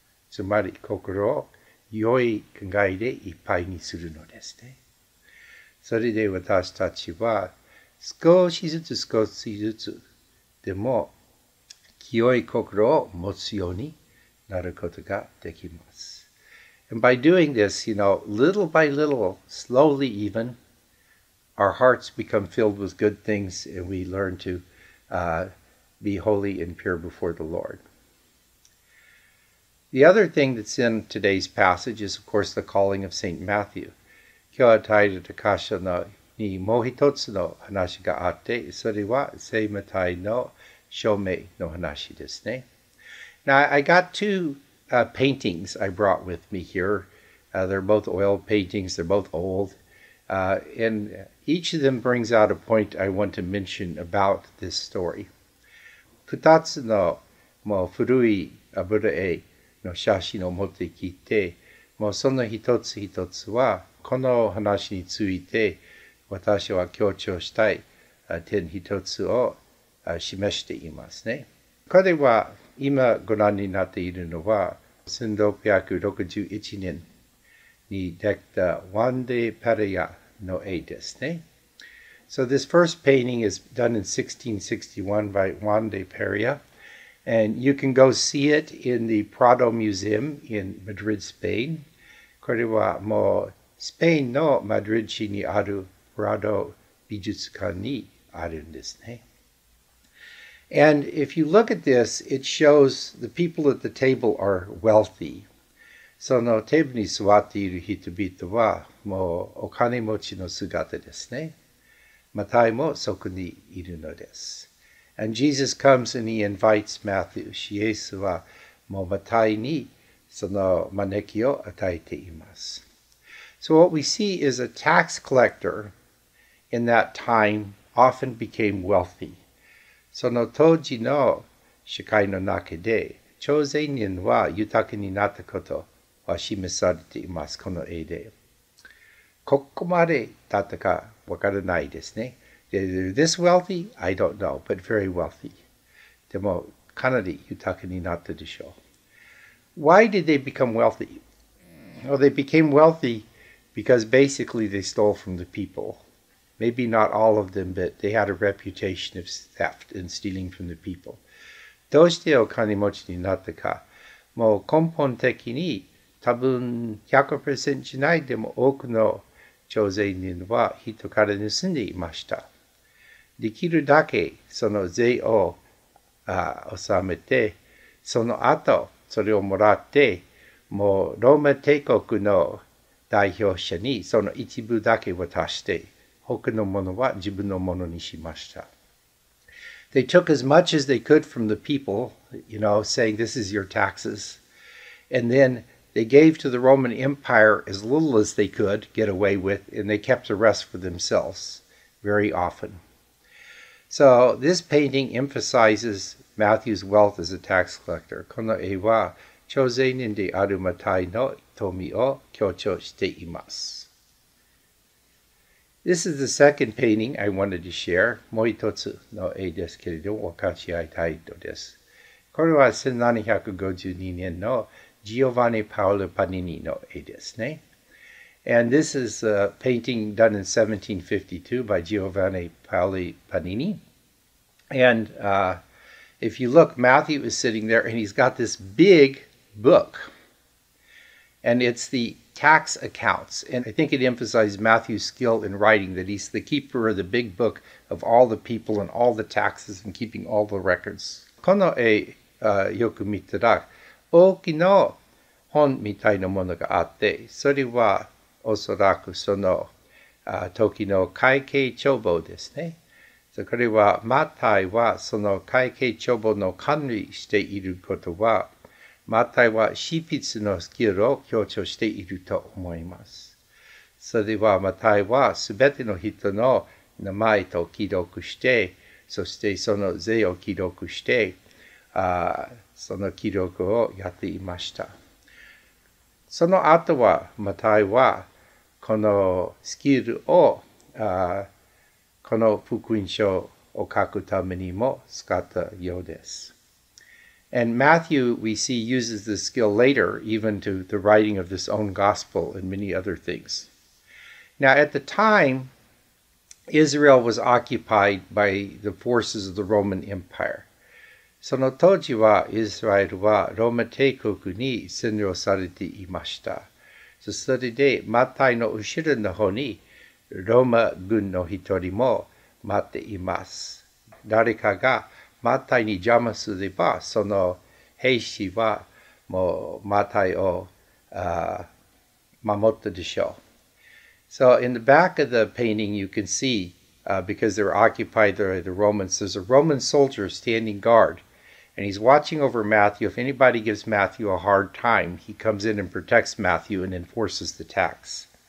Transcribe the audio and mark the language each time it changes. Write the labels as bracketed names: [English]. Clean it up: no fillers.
[Japanese] つまり心を良い考えでいっぱいにするのですね。それで私たちは、少しずつ少しずつでも清い心を持つようになることができます。 [English] And by doing this, you know, little by little, slowly even, our hearts become filled with good things and we learn to be holy and pure before the Lord. The other thing that's in today's passage is, of course, the calling of St. Matthew. [Japanese] 今日は大体高所のにもう一つの話があって、それは聖マタイの証明の話ですね。 [English] Now, I got two paintings I brought with me here. They're both oil paintings, they're both old. And each of them brings out a point I want to mention about this story. [Japanese] 二つのもう古い油絵の写真を持ってきて、もうその一つ一つはこの話について、私は強調したい点一つを示していますね。これは今ご覧になっているのは1661年にできたワンデペレアの絵ですね。 [English] So this first painting is done in 1661 by Juan de Peria, and you can go see it in the Prado Museum in Madrid, Spain. [Japanese] これはもうスペインのマドリッド市にあるPrado 美術館にあるんですね。 [English] And if you look at this, it shows the people at the table are wealthy. [Japanese] そのテーブルに座っている人々はもうお金持ちの姿ですね。マタイもそこにいるのです。 [English] And Jesus comes and he invites Matthew. [Japanese] イエスはもうマタイにその招きを与えています。 [English] So what we see is a tax collector in that time often became wealthy. [Japanese] その当時の社会の中で、徴税人は豊かになったことは示されています、この絵で。ここまでだったかわからないですね。 [English] They're this wealthy? I don't know, but very wealthy. [Japanese] でもかなり豊かになったでしょう。 [English] Why did they become wealthy? Well, they became wealthy because basically they stole from the people. Maybe not all of them, but they had a reputation of theft and stealing from the people. [Japanese] どうしてお金持ちになったか。もう根本的に多分 100% じゃないでも多くの徴税人は人から盗んでいました。できるだけその税を納めて、その後それをもらって、もうローマ帝国の代表者にその一部だけ渡して、他のものは自分のものにしました。 [English] They took as much as they could from the people, you know, saying, this is your taxes. And then they gave to the Roman Empire as little as they could get away with, and they kept the rest for themselves very often. So this painting emphasizes Matthew's wealth as a tax collector. [Japanese] この絵は、徴税人であるマタイの富を強調しています。 [English] This is the second painting I wanted to share. [Japanese] もう一つの絵ですけれども、分かち合いたいのです。これは1752年のジオヴァニ・パオロ・パニニの絵ですね。 [English] And this is a painting done in 1752 by Giovanni Paolo Panini. And if you look, Matthew is sitting there and he's got this big book. And it's the tax accounts. And I think it emphasizes Matthew's skill in writing, that he's the keeper of the big book of all the people and all the taxes and keeping all the records. [Japanese] この絵、よく見たら、大きな本みたいなものがあって、それはおそらくその時の会計帳簿ですね。これは、マタイはその会計帳簿の管理していることは、マタイは執筆のスキルを強調していると思います。それは、マタイはすべての人の名前と記録して、そしてその税を記録して、その記録をやっていました。その後は、マタイはこのスキルを、この福音書を書くためにも使ったようです。 [English] And Matthew, we see, uses this skill later, even to the writing of his own gospel and many other things. Now, at the time, Israel was occupied by the forces of the Roman Empire. [Japanese] その当時は、イスラエルはローマ帝国に占領されていました。それで、マタイの後ろの方にローマ軍の一人も待っています。誰かがマタイに邪魔すれば、その兵士はもうマタイを守ったでしょう。 [English] So in the back of the painting, you can see, because they're occupied by the Romans, there's a Roman soldier standing guard, and he's watching over Matthew. If anybody gives Matthew a hard time, he comes in and protects Matthew and enforces the tax.